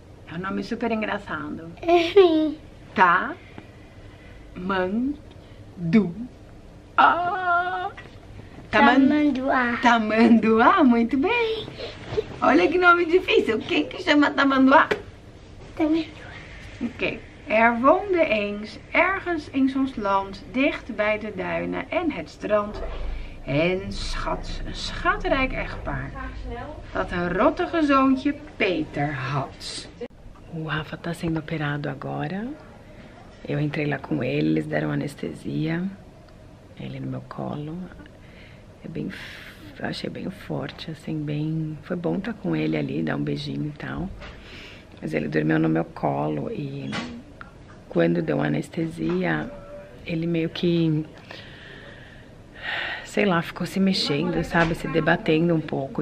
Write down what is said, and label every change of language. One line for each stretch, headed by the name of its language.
Portuguese: É um nome super engraçado. Sim. Tá. Mandu. Oh. Tamanduá. Tamanduá, muito bem. Olha que nome difícil. Quem que chama Tamanduá? Tamanduá. Ok.
Dutch: Er woonde eens, ergens in ons land, dicht bij de duinen en het strand, en schat, een schatrijk echtpaar, dat een rottige zoontje Peter had.
Portuguese: O Rafa tá sendo operado agora. Eu entrei lá com ele, eles deram anestesia. Ele no meu colo. É bem, achei bem forte, assim, bem... Foi bom estar com ele ali, dar um beijinho e tal. Mas ele dormiu no meu colo e... Quando deu anestesia, ele meio que, sei lá, ficou se mexendo, sabe, se debatendo um pouco.